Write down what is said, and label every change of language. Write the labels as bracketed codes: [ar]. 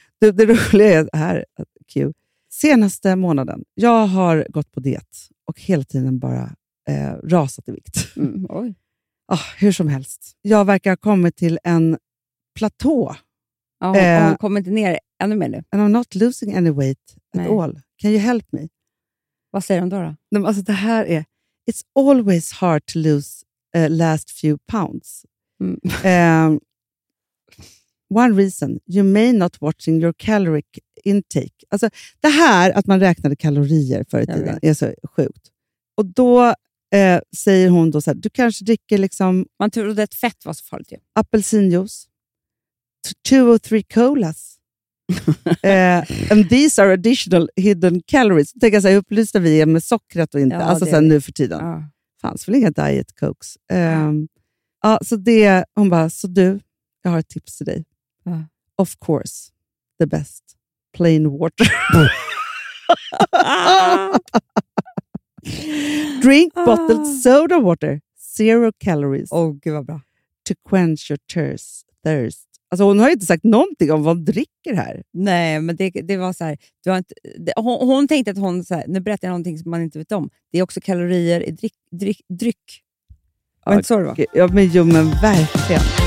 [sv] Det roliga är här, kul. Senaste månaden, jag har gått på diet och hela tiden bara rasat i vikt. Mm, oj. Oh, hur som helst. Jag verkar ha kommit till en platå. Ja, hon kommer inte ner ännu mer nu. [en] And I'm not losing any weight at all. Can you help me? [sv] Vad säger hon då? Alltså det här är, [en] it's always hard to lose last few pounds. Mm. One reason, you may not watching your caloric intake. [sv] Alltså det här att man räknade kalorier förr i tiden är så sjukt. Och då säger hon då så här, du kanske dricker liksom... Man trodde att fett var så farligt. Ja. [en] Apelsinjuice. 2 or 3 colas. and these are additional hidden calories. [sv] Tänk att säga, upplysta vi är med sockret och inte. Ja, alltså sen nu för tiden. Ja. Fanns väl inga diet cokes. Ja. Ja, så det, hon bara, så du, jag har ett tips till dig. Ja. [en] Of course, the best. Plain water. Drink bottled soda water. 0 calories. [sv] Åh, gud vad bra. [en] To quench your thirst. [sv] Alltså hon har ju inte sagt någonting om vad hon dricker här. Nej, men det var så här. Du har inte, hon tänkte att hon så här, nu berättar jag någonting som man inte vet om. Det är också kalorier i dryck. Var inte så det var? Ja, men jo, men verkligen.